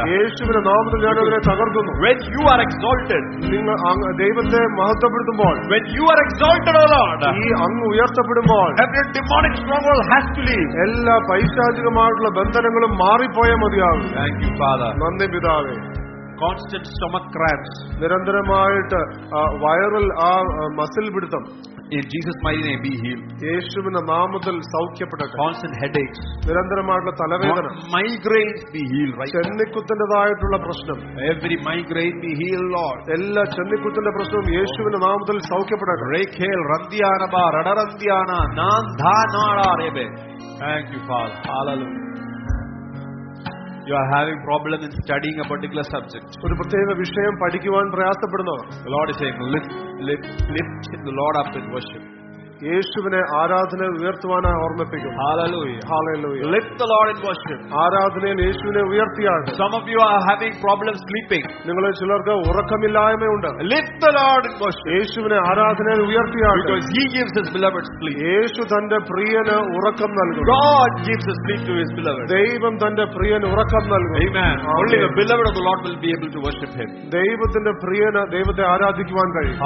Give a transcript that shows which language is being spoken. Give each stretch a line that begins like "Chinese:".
English: When you are exalted, when you are exalted, O Lord, every demonic stronghold has to leave.
Malayalam: എല്ലാ പൈശാചികമായിട്ടുള്ള ബന്ധനങ്ങളും മാറിപ്പോയാൽ മതിയാകും.
English: Thank you father.
Malayalam: നന്ദി പിതാവേ.
English: constant stomach cramps,
Malayalam: നിരന്തരമായിട്ട് വയറിൽ ആ muscle പിടുത്തം.
English: In Jesus' mighty name, be healed.
Malayalam: യേശുവിന്റെ നാമത്തിൽ സൗഖ്യപ്പെടട്ടെ.
English: Constant headaches,
Malayalam: നിരന്തരമായിട്ടുള്ള തലവേദന.
English: Migraines, be healed. Right,
Malayalam: ചെന്നിക്കുത്തിന്റേതായിട്ടുള്ള പ്രശ്നം.
English: Every migraine, be healed, Lord.
Malayalam: എല്ലാ ചെന്നിക്കുത്തിന്റെ പ്രശ്നവും യേശുവിന്റെ നാമത്തിൽ സൗഖ്യപ്പെടട്ടെ. Rekhel, randiana ba, radarandiana, naan dhanara rebe.
English: Thank you, Father. Hallelujah. You are having problem in studying a particular subject.
Malayalam: ഒരു പ്രത്യേക വിഷയം പഠിക്കുവാൻ പ്രയാസപ്പെടുന്നവർ,
English: the Lord is saying, lift the Lord up in worship.
Malayalam: യേശുവിനെ ആരാധന ഉയർത്തുവാനെ ഓർമ്മിപ്പിക്കും.
English: Hallelujah. Hallelujah. Lift the Lord in worship.
Malayalam: ആരാധനയിൽ യേശുവിനെ ഉയർത്തിയാൽ.
English: Some of you are having problems sleeping.
Malayalam: നിങ്ങളിൽ ചിലർക്ക് ഉറക്കമില്ലായ്മയുണ്ട്.
English: Lift the Lord in worship.
Malayalam: യേശുവിനെ ആരാധനയിൽ ഉയർത്തിയാൽ.
English: Because he gives his beloved sleep.
Malayalam: യേശു തന്റെ പ്രിയന് ഉറക്കം നൽകും.
English: God gives his sleep to his beloved.
Malayalam: ദൈവം തന്റെ പ്രിയന് ഉറക്കം നൽകും.
English: Amen. Only the beloved of the Lord will be able to worship him.
Malayalam: ദൈവത്തിന്റെ പ്രിയന് ദൈവത്തെ ആരാധിക്കുവാൻ കഴിയും.